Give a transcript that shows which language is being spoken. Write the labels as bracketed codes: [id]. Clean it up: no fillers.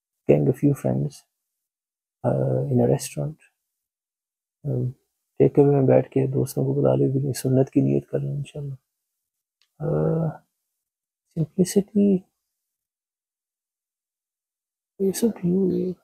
[en] Getting a few friends in a restaurant. Take away and [ur] بیٹھ کے دوستوں کو بلا لے، بھی سنت کی نیت کر لو، ان شاء اللہ۔ [en] Simplicity. It's up to you.